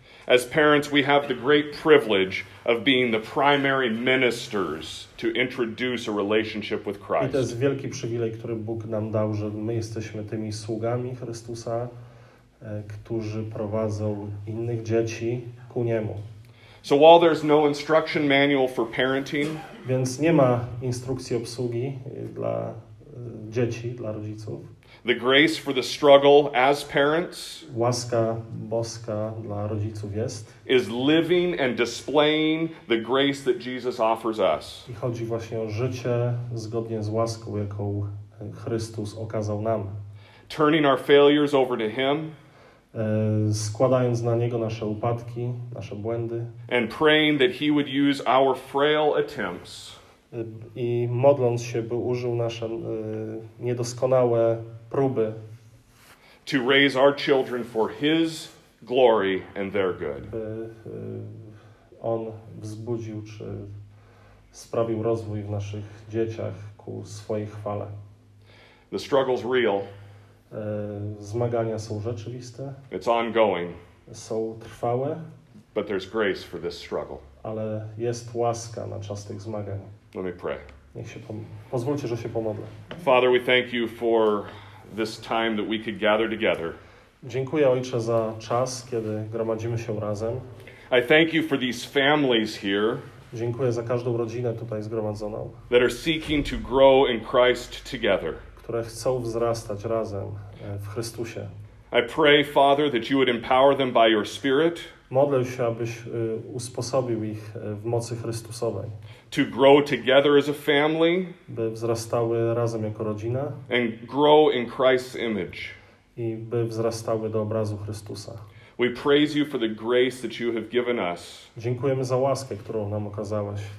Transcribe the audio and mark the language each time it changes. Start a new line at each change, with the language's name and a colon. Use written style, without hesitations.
English: As parents, we have the great privilege of being the primary ministers to introduce a relationship with Christ.
Polish: I to jest wielki przywilej, który Bóg nam dał, że my jesteśmy tymi sługami Chrystusa, którzy prowadzą innych dzieci ku Niemu.
English: So while there's no instruction manual for parenting,
Polish: więc nie ma instrukcji obsługi dla dzieci, dla rodziców.
English: The grace for the struggle as parents,
Polish: łaska boska dla rodziców jest,
English: is living and displaying the grace that Jesus offers us.
Polish: I chodzi właśnie o życie zgodnie z łaską, jaką Chrystus okazał nam.
English: Turning our failures over to Him,
Polish: składając na Niego nasze upadki, nasze błędy,
English: and praying that He would use our frail attempts,
Polish: i modląc się, by użył nasze niedoskonałe próby,
English: to raise our children for His glory and their good.
Polish: By On wzbudził czy sprawił rozwój w naszych dzieciach ku swojej chwale.
English: The struggle's real.
Polish: Zmagania są rzeczywiste.
English: It's ongoing.
Polish: Są trwałe.
English: But there's grace for this struggle.
Polish: Ale jest łaska na czas tych zmagań.
English: Let me pray.
Polish: Niech się pozwólcie, że się pomodlę.
English: Father, we thank you for this time that we could gather together.
Polish: Dziękuję, Ojcze, za czas, kiedy gromadzimy się razem.
English: I thank you for these families here.
Polish: Dziękuję za każdą rodzinę tutaj zgromadzoną.
English: That are seeking to grow in Christ together.
Polish: Które chcą wzrastać razem w Chrystusie.
English: I pray, Father, that you would empower them by your Spirit.
Polish: Modlę się, abyś usposobił ich w mocy Chrystusowej.
English: To grow together as a family.
Polish: By wzrastały razem jako rodzina.
English: And grow in Christ's image.
Polish: I by wzrastały do obrazu Chrystusa.
English: We praise you for the grace that you have given us.
Polish: Dziękujemy za łaskę, którą nam okazałeś.